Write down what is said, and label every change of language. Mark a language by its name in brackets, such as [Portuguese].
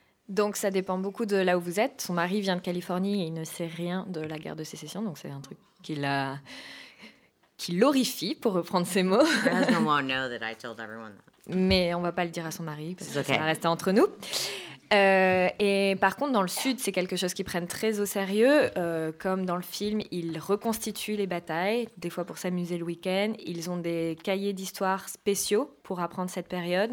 [French] Donc ça dépend beaucoup de là où vous êtes. Son mari vient de Californie et il ne sait rien de la guerre de sécession, donc c'est un truc qui l'horrifie, pour reprendre ses mots. [English] Doesn't want to know that I told everyone that. [French] Mais on ne va pas le dire à son mari, parce que ça va rester entre nous. Et par contre, dans le Sud, c'est quelque chose qu'ils prennent très au sérieux. Comme dans le film, ils reconstituent les batailles, des fois pour s'amuser le week-end. Ils ont des cahiers d'histoire spéciaux pour apprendre cette période.